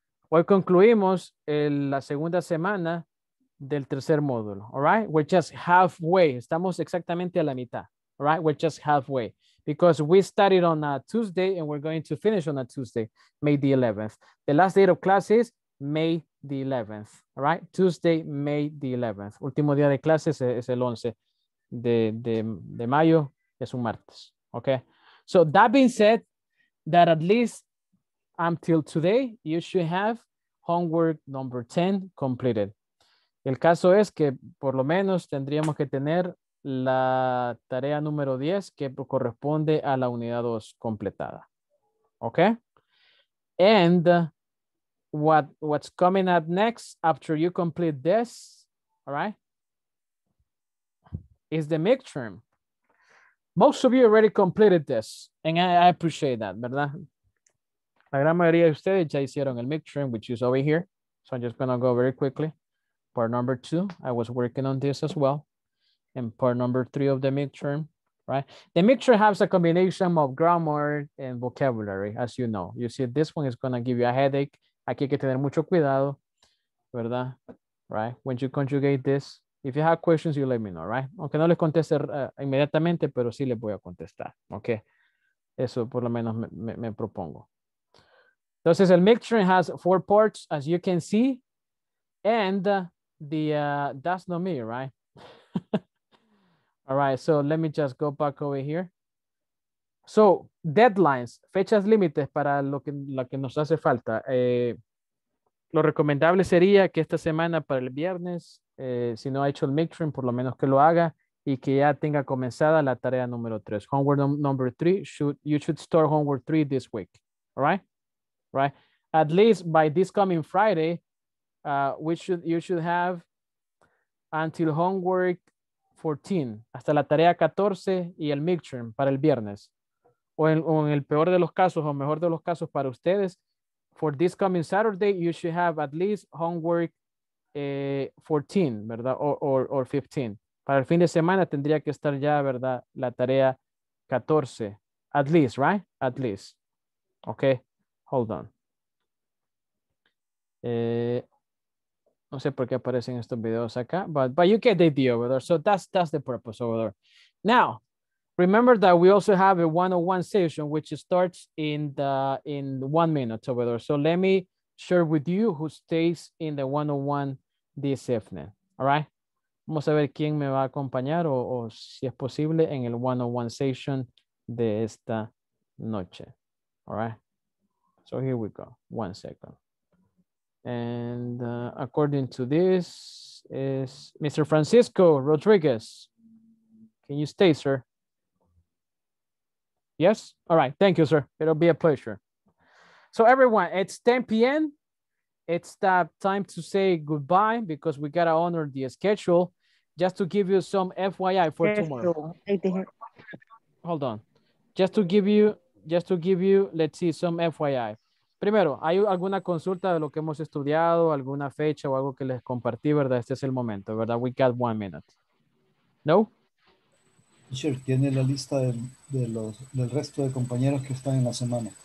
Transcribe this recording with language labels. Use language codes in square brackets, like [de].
[es] Hoy concluimos la segunda semana del tercer módulo, [en] all right? We're just halfway. [es] Estamos exactamente a la mitad, all right? [en] We're just halfway because we started on a Tuesday and we're going to finish on a Tuesday, May the 11th. The last day of class is May the 11th, all right? Tuesday, May the 11th. [es] Último día de clases es el 11 de mayo, es un martes, okay? [en] So that being said, that at least until today, you should have homework number 10 completed. [es] El caso es que por lo menos tendríamos que tener la tarea número 10 que corresponde a la unidad 2 completada. [en] Okay? And what's coming up next after you complete this, all right, is the midterm. Most of you already completed this, and I appreciate that, [es] ¿verdad? La gran mayoría de ustedes ya hicieron el midterm, [en] which is over here. So I'm just going to go very quickly. Part number 2, I was working on this as well. And part number 3 of the midterm, right? The midterm has a combination of grammar and vocabulary, as you know. You see, this one is going to give you a headache. [es] Aquí hay que tener mucho cuidado, ¿verdad? [en] Right? When you conjugate this, if you have questions, you let me know, right? [es] Aunque no les conteste inmediatamente, pero sí les voy a contestar, ¿ok? Eso por lo menos me propongo. Entonces, el [en] midterm has 4 parts, as you can see. And that's not me, right? All right, so let me just go back over here. So, deadlines, [es] fechas límites para lo que nos hace falta. Lo recomendable sería que esta semana para el viernes, si no ha hecho el midterm, por lo menos que lo haga y que ya tenga comenzada la tarea número 3. [en] Homework number 3, you should start homework 3 this week, all right? Right, at least by this coming Friday, you should have until homework 14, [es] hasta la tarea 14 [en] y el midterm para el viernes. [es] O en el peor de los casos, o mejor de los casos para ustedes, [en] for this coming Saturday, you should have at least homework 14, [es] ¿verdad? [en] Or 15. [es] Para el fin de semana tendría que estar ya, ¿verdad? La tarea 14, [en] at least, right? At least. Okay. Hold on. [es] No sé por qué aparecen estos videos acá, [en] but you get the idea over there. So that's the purpose over there. Now, remember that we also have a one-on-one session, which starts in 1 minute over there. So let me share with you who stays in the one-on-one this evening. All right. [es] Vamos a ver quién me va a acompañar o si es posible en el one-on-one session de esta noche. [en] All right. So here we go, 1 second. And according to this is Mr. Francisco Rodriguez. Can you stay, sir? Yes? All right, thank you, sir. It'll be a pleasure. So everyone, it's 10 p.m. It's that time to say goodbye because we gotta honor the schedule. Just to give you some FYI for tomorrow. Hold on. Just to give you, let's see, some FYI. [es] Primero, ¿hay alguna consulta de lo que hemos estudiado, alguna fecha o algo que les compartí, verdad? Este es el momento, ¿verdad? [en] We got 1 minute. [es] ¿No? Teacher, ¿tiene la lista del resto de compañeros que están en la semana?